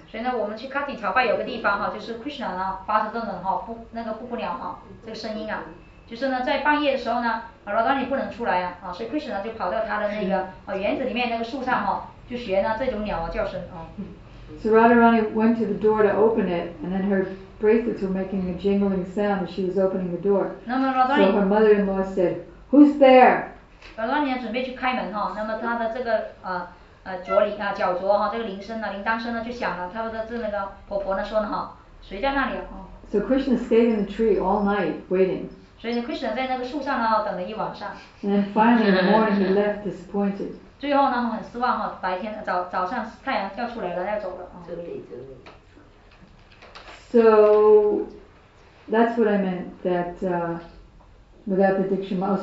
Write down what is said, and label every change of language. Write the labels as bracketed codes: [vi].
[zh] 所以呢，我们去 Kartik 朝拜有个地方哈，就是 Krishna 呢发出这种哈不那个布谷鸟哈这个声音啊，就是呢在半夜的时候呢，Radharani不能出来啊，所以 Krishna 就跑到他的那个园子里面那个树上哈，就学呢这种鸟啊叫声啊。 [en] So Radharani went to the door to open it, and then her bracelets were making a jingling sound as she was opening the door. So her mother-in-law said, "Who's there?" [zh] Radharani 准备去开门哈，那么她的这个脚铃啊脚镯哈这个铃声呢铃铛声呢就响了，她的这那个婆婆呢说呢哈，谁在那里啊？ [en] So Krishna stayed in the tree all night waiting. [zh] 所以 Krishna 在那个树上呢等了一晚上。 [en] And then finally in the morning he left disappointed. [zh] 最后呢很失望哈，白天早上太阳跳出来了要走了。这里。 [en] So that's what I meant, that without the diksha mantras.